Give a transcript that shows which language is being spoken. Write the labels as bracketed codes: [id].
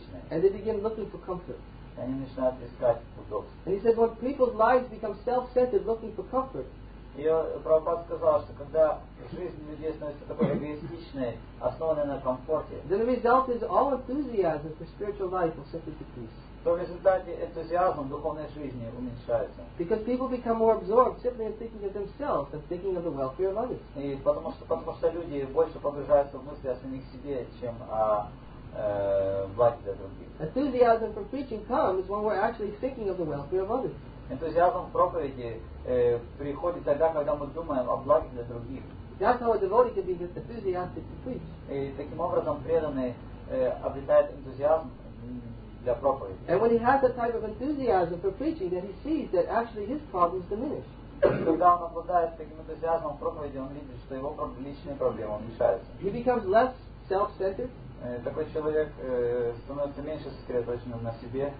[en] And they begin looking for comfort. And he said, when people's lives become self-centered looking for comfort, [ru] и Прабхупада сказал, что когда жизнь людей становится такой эгоистичной, основанной на комфорте, [en] the result is all enthusiasm for spiritual life will simply decrease. [ru] То в результате энтузиазм духовной жизни уменьшается. [en] Because people become more absorbed simply in thinking of themselves than thinking of the welfare of others. [ru] И потому что люди больше погружаются в мысли о самих себе, чем о благе для других. [en] Enthusiasm for preaching comes when we're actually thinking of the welfare of others. [ru] Энтузиазм проповеди приходит тогда, когда мы думаем о благе для других. [en] That's how a devotee can be enthusiastic to preach. [ru] И таким образом преданный обретает энтузиазм для проповеди. [en] And when he has that type of enthusiasm for preaching, then he sees that actually his problems diminish. [ru] Когда он обладает таким энтузиазмом проповеди, он видит, что его личные проблемы уменьшаются. [en] He becomes less self-centered. [ru] Такой человек становится меньше сосредоточенным на себе.